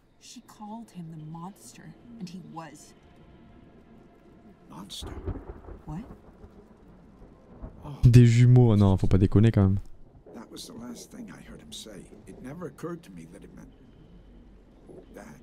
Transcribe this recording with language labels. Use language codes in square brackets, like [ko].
[en] She called him the monster, and he was. Monster? What? [fr] Des jumeaux, non, faut pas déconner quand même. [en] That was the last thing I heard him say. It never occurred to me that it meant that.